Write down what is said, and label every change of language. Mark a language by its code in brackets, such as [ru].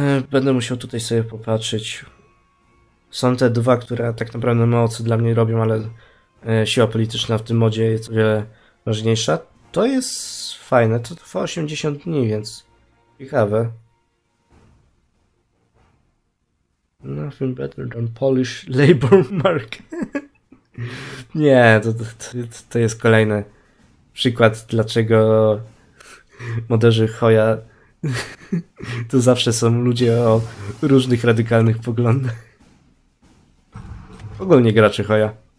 [pl] Będę musiał tutaj sobie popatrzeć. Są te dwa, które tak naprawdę mocy dla mnie robią, ale siła polityczna w tym modzie jest o wiele ważniejsza. To jest fajne, to trwa 80 dni, więc ciekawe. [en] Nothing better than Polish labor market. [pl] Nie, to jest kolejny przykład, dlaczego moderzy Hoja to zawsze są ludzie o różnych radykalnych poglądach. Ogólnie graczy Hoja.